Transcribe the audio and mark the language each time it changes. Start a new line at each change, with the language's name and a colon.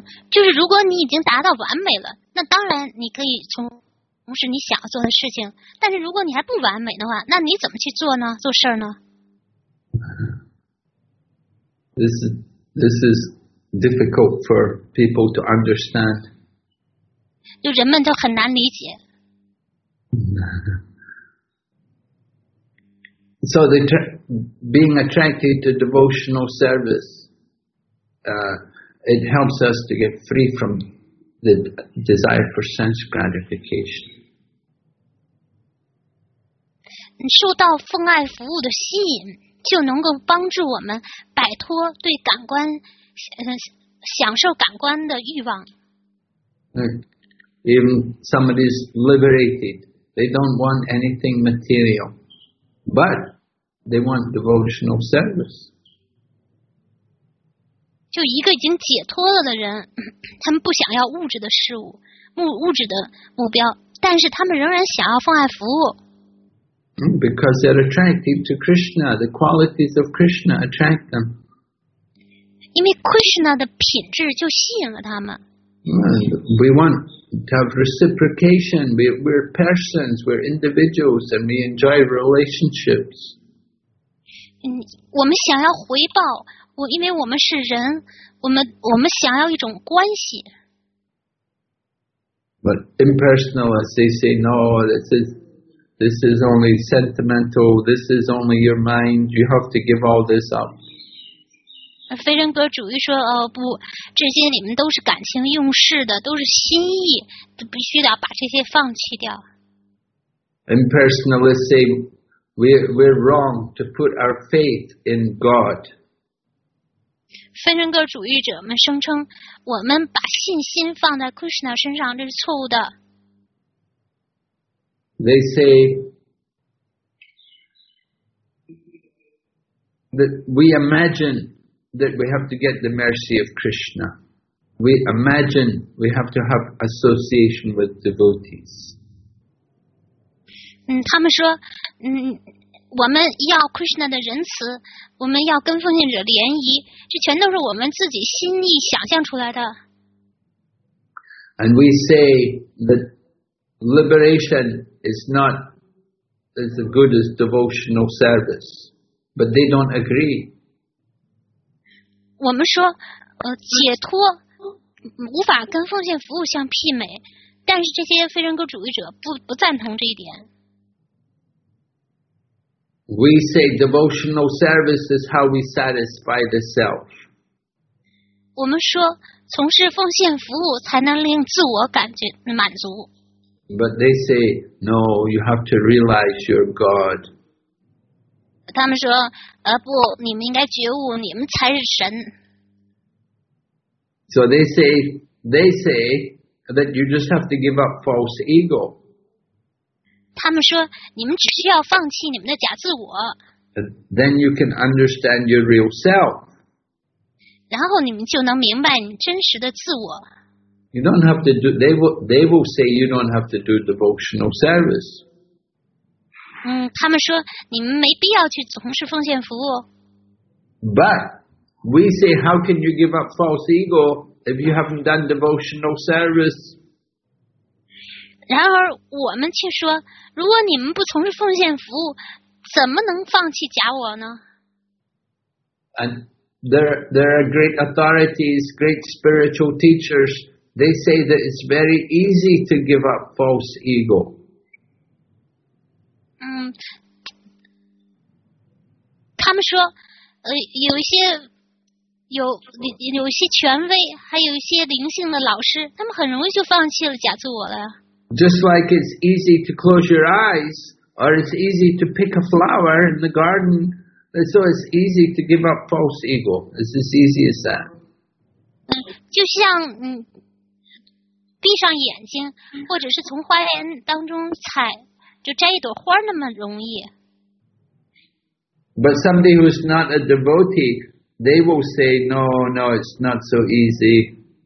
Chinese: 就是如果你已经达到完美了，那当然你可以从事你想做的事情。但是如果你还不完美的话，那你怎么去做呢？做事呢？
English: This is difficult for people to understand.
Chinese: 就人们都很难理解。
English: So they being attracted to devotional service, it helps us to get free from the desire for sense gratification.
Chinese: 受到奉爱服务的吸引，就能够帮助我们摆脱对感官，享受感官的欲望。
English: Even somebody is liberated, they don't want anything material, but they want devotional service.
Chinese: 就一个已经解脱了的人，他们不想要物质的事物，物质的目标，但是他们仍然想要奉爱服务。
English: Because they're attracted to Krishna, the qualities of Krishna attract them.
Chinese: 因为 Krishna 的品质就吸引了他们。
English: We want to have reciprocation. We're persons, we're individuals, and we enjoy relationships.
Chinese: 我们想要回报，因为我们是人，我们想要一种关系。
English: But impersonal, as they say, no, this is only sentimental, this is only your mind, you have to give all this up.
Chinese: 非人格主义说，哦不，这些你们都是感情用事的，都是心意，必须得把这些放弃掉。
English: Impersonalists say, we're wrong to put our faith in God.
Chinese: 非人格主义者们声称，我们把信心放在 Krishna 身上，这是错误的。
English: They say that we imagine that we have to get the mercy of Krishna. We imagine we have to have association with devotees.
Chinese: 他们说，我们要 Krishna 的仁慈，我们要跟奉献者联谊，这全都是我们自己心意想象出来的。
English: And we say that liberation is not as good as devotional service, but they don't agree.
Chinese: 我们说，解脱无法跟奉献服务相媲美，但是这些非人格主义者不赞同这一点。
English: We say devotional service is how we satisfy the self.
Chinese: 我们说，从事奉献服务才能令自我感觉满足。
English: But they say, no, you have to realize you're God.
Chinese: 他们说，不，你们应该觉悟，你们才是神。
English: So they say that you just have to give up false ego.
Chinese: 他们说，你们只需要放弃你们的假自我。
English: Then you can understand your real self.
Chinese: 然后你们就能明白你真实的自我。
English: You don't have to do, they will say you don't have to do devotional service.
Chinese: 他们说你们没必要去从事奉献服务。
English: But we say how can you give up false ego if you haven't done devotional service?
Chinese: 然而我们却说，如果你们不从事奉献服务，怎么能放弃假我呢？
English: And there are great authorities, great spiritual teachers. They say that it's very easy to give up false ego.
Chinese: 他们说，有一些权威，还有一些灵性的老师，他们很容易就放弃了假自我了。
English: Just like it's easy to close your eyes, or it's easy to pick a flower in the garden, so it's easy to give up false ego. It's as easy as that.
Chinese: 就像闭上眼睛，或者是从花园当中采，就摘一朵花那么容易。
English: But somebody who's not a devotee, they will say, "No, no, it's not so easy."